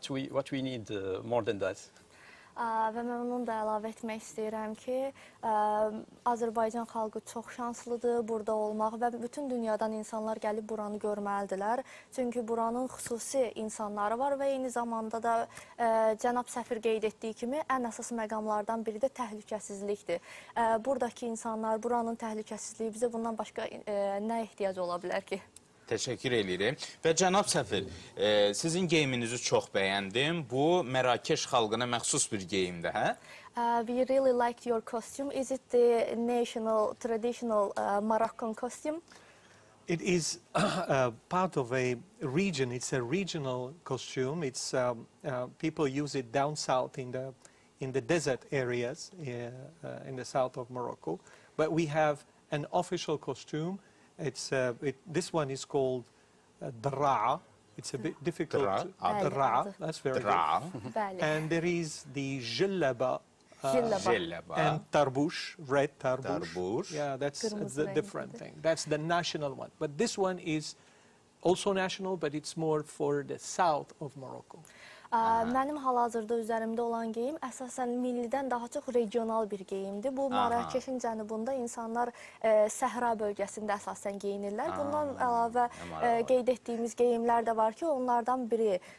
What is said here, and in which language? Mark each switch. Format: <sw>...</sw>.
<en>What we need more than that.</en> <az>Və mən onun da əlavə etmək istəyirəm ki, Azərbaycan xalqı çox şanslıdır burada olmaq və bütün dünyadan insanlar gəlib buranı görməlidirlər. Çünki buranın xüsusi insanları var və eyni zamanda da Cənab Səfir qeyd etdiyi kimi ən əsas məqamlardan biri də təhlükəsizlikdir. Buradakı insanlar, buranın təhlükəsizliyi bizə bundan başqa nə ehtiyac ola bilər ki? Təşəkkür edirəm. Və cənab səfir, sizin geyiminizi çox bəyəndim. Bu, Mərakeş xalqına məxsus bir geyimdir, hə?</az> <en>We really liked your costume. Is it the national, traditional Moroccan costume? It is part of a region. It's a regional costume. It's people use it down south in the desert areas in the south of Morocco. But we have an official costume. It's this one is called Draa. It's a bit difficult. Draa, that's very good. And there is the Jillaba. Jillaba. And Tarbush, red Tarbush. Tarbush. Yeah, that's the different thing. That's the national one. But this one is also national, but it's more for the south of Morocco.</en> <az>Mənim hal-hazırda üzərimdə olan geyim əsasən millidən daha çox regional bir geyimdir. Bu, Marrakeşin cənubunda insanlar səhra bölgəsində əsasən geyinirlər. Bundan əlavə qeyd etdiyimiz geyimlər də var ki, onlardan biri</az>